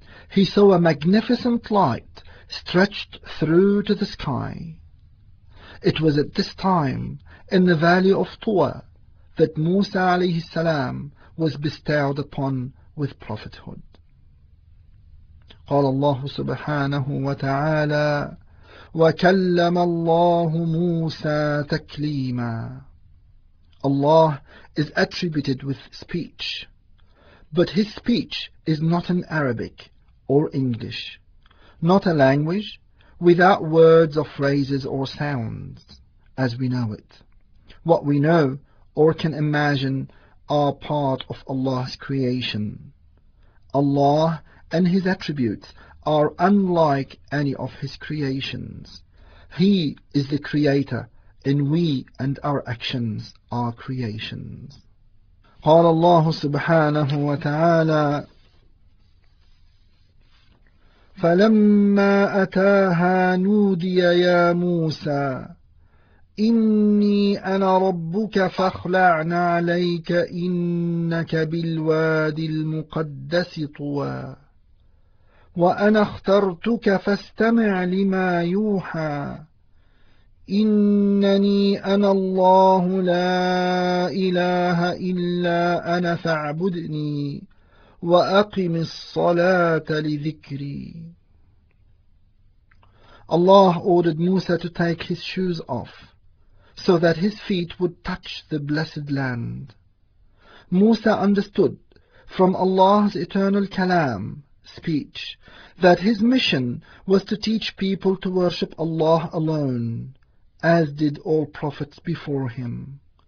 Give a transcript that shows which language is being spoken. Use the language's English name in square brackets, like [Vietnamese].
[English] He saw a magnificent light stretched through to the sky. It was at this time in the valley of Tua that Musa alayhi salam was bestowed upon with prophethood. [Arabic] قال الله سبحانه وتعالى وكلم الله موسى تكليما. [English] Allah is attributed with speech, but his speech is not in Arabic or English, not a language without words or phrases or sounds as we know it. What we know or can imagine are part of Allah's creation. Allah and his attributes are unlike any of his creations. He is the creator, and we and our actions are creations. [Arabic] قال الله سبحانه وتعالى فلما أتاها نودي يا موسى إني أنا ربك فاخلع نعليك إنك بالوادي المقدس طوى وأنا اخترتك فاستمع لما يوحى إنني أنا الله لا إله إلا أنا فاعبدني وأقم الصلاة لذكري. [English] Allah ordered Musa to take his shoes off so that his feet would touch the blessed land. Musa understood from Allah's eternal kalam, speech, that his mission was to teach people to worship Allah alone, as did all prophets before him.